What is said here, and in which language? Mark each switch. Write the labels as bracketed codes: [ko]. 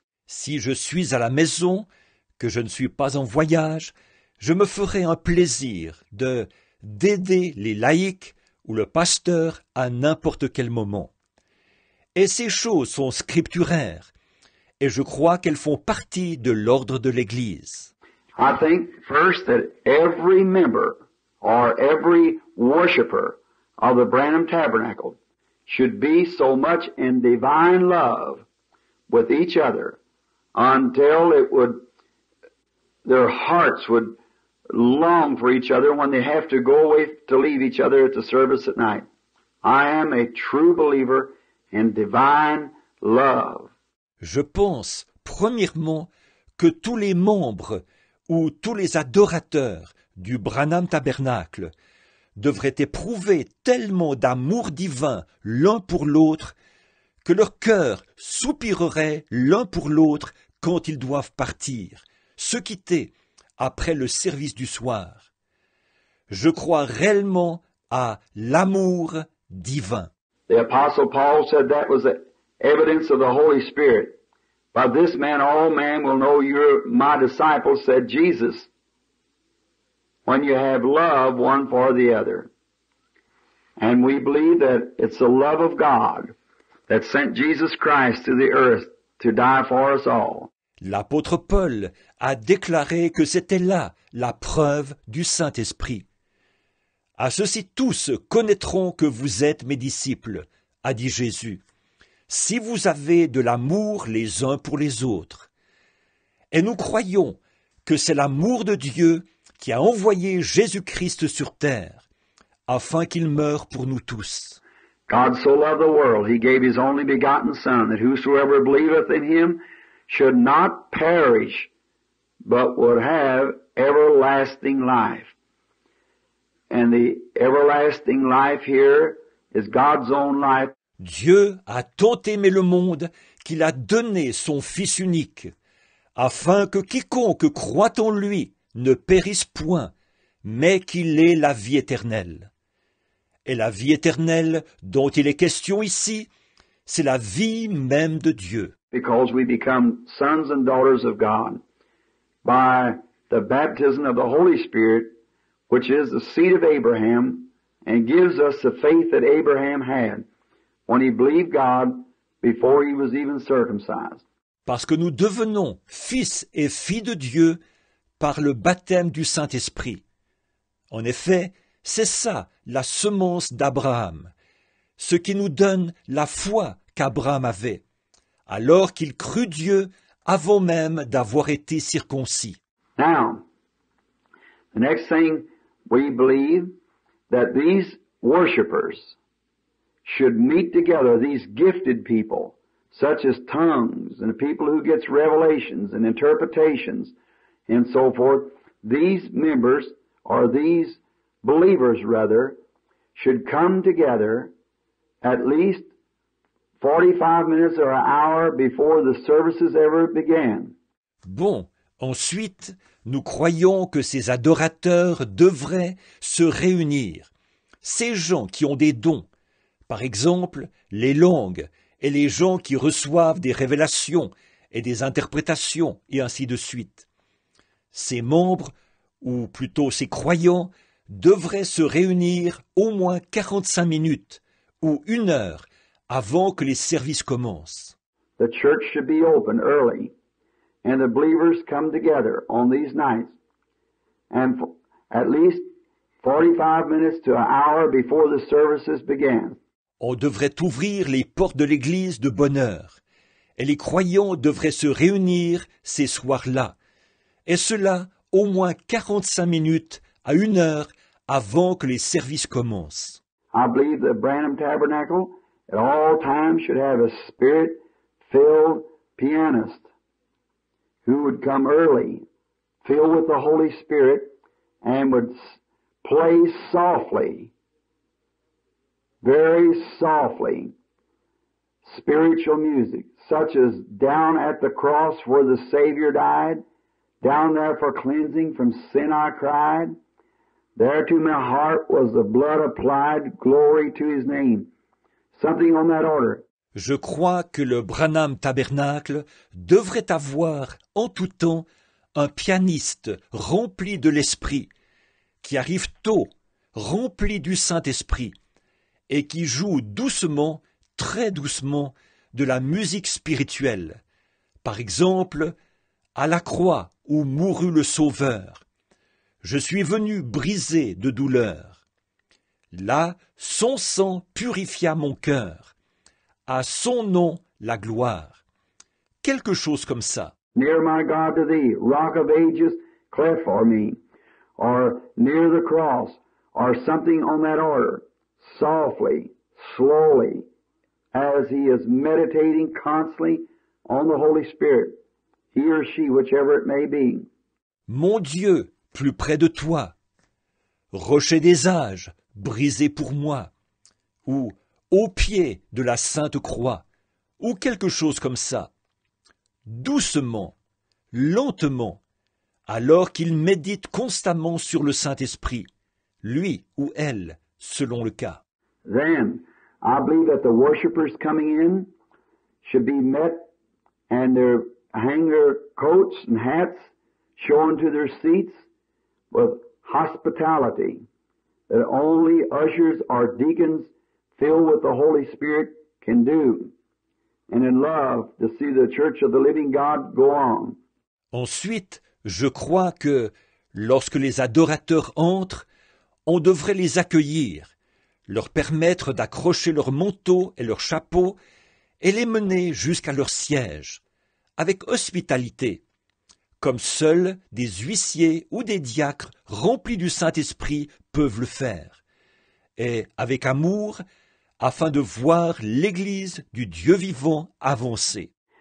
[fr] Si je suis à la maison, que je ne suis pas en voyage, je me ferai un plaisir d'aider les laïcs ou le pasteur à n'importe quel moment. Et ces choses sont scripturaires, et je crois qu'elles font partie de l'ordre de l'Église. [en] I think first that every member or every worshiper of the Branham Tabernacle should be so much in divine love with each other until their hearts would long for each other when they have to go away to leave each other at the service at night. I am a true believer in divine love. [fr] Je pense, premièrement, que tous les membres ou tous les adorateurs du Branham Tabernacle devraient éprouver tellement d'amour divin l'un pour l'autre que leur cœur soupirerait l'un pour l'autre quand ils doivent partir, se quitter après le service du soir. Je crois réellement à l'amour divin. [en] The Apostle Paul said that was the evidence of the Holy Spirit. By this man all men will know you're my disciples, said Jesus. When you have love one for the other. And we believe that it's the love of God that sent Jesus Christ to the earth to die for us all. [fr] L'apôtre Paul a déclaré que c'était là la preuve du Saint-Esprit. À ceci tous connaîtront que vous êtes mes disciples, a dit Jésus, si vous avez de l'amour les uns pour les autres. Et nous croyons que c'est l'amour de Dieu qui a envoyé Jésus-Christ sur terre, afin qu'il meure pour nous tous. [en] God so loved the world, he gave his only begotten Son, that whosoever believeth in him should not perish, but would have everlasting life. And the everlasting life here is God's own life. [fr] Dieu a tant aimé le monde qu'il a donné son Fils unique, afin que quiconque croit en lui ne périsse point, mais qu'il ait la vie éternelle. Et la vie éternelle dont il est question ici, c'est la vie même de Dieu. [en] Because we become sons and daughters of God by the baptism of the Holy Spirit, which is the seed of Abraham, and gives us the faith that Abraham had when he believed God before he was even circumcised. [fr] Parce que nous devenons fils et filles de Dieu par le baptême du Saint-Esprit. En effet, c'est ça la semence d'Abraham, ce qui nous donne la foi qu'Abraham avait, alors qu'il crut Dieu avant même d'avoir été circoncis. [en] Now, the next thing we believe that these worshipers should meet together, these gifted people, such as tongues, and the people who get revelations and interpretations, and so forth, these members, or these believers rather, should come together at least 45 minutes or an hour before the services ever began. [fr] Bon, ensuite, nous croyons que ces adorateurs devraient se réunir. Ces gens qui ont des dons, par exemple, les langues et les gens qui reçoivent des révélations et des interprétations, et ainsi de suite. Ces membres, ou plutôt ces croyants, devraient se réunir au moins 45 minutes ou une heure avant que les services commencent. [en] The church should be open early, and the believers come together on these nights, and at least 45 minutes to an hour before the services begin. [fr] On devrait ouvrir les portes de l'église de bonne heure, et les croyants devraient se réunir ces soirs-là, et cela au moins 45 minutes à une heure avant que les services commencent. [en] I believe the Branham Tabernacle at all times should have a spirit-filled pianist who would come early, filled with the Holy Spirit, and would play softly, very softly, spiritual music, such as down at the cross where the Savior died, down there for cleansing from sin I cried. There to my heart was the blood applied, glory to his name. Something on that order. [fr] Je crois que le Branham Tabernacle devrait avoir en tout temps un pianiste rempli de l'Esprit, qui arrive tôt, rempli du Saint-Esprit, et qui joue doucement, très doucement, de la musique spirituelle. Par exemple, à la croix où mourut le Sauveur, je suis venu brisé de douleur. Là, son sang purifia mon cœur. À son nom, la gloire. Quelque chose comme ça. [en] Near my God to thee, rock of ages, cleft for me, or near the cross, or something on that order, softly, slowly, as he is meditating constantly on the Holy Spirit, he or she, whichever it may be. [fr] Mon Dieu, plus près de toi, rocher des âges, brisé pour moi, ou au pied de la Sainte Croix, ou quelque chose comme ça. Doucement, lentement, alors qu'il médite constamment sur le Saint-Esprit, lui ou elle, selon le cas. [en] Then, I believe that the worshipers coming in should be met and their hanger coats and hats shown to their seats with hospitality, that only ushers or deacons filled with the Holy Spirit can do, and in love to see the church of the living God go on. [fr] Ensuite, je crois que lorsque les adorateurs entrent, on devrait les accueillir, leur permettre d'accrocher leur manteau et leur chapeau et les mener jusqu'à leur siège, avec hospitalité, comme seuls des huissiers ou des diacres remplis du Saint-Esprit peuvent le faire, et avec amour, afin de voir l'Église du Dieu vivant avancer.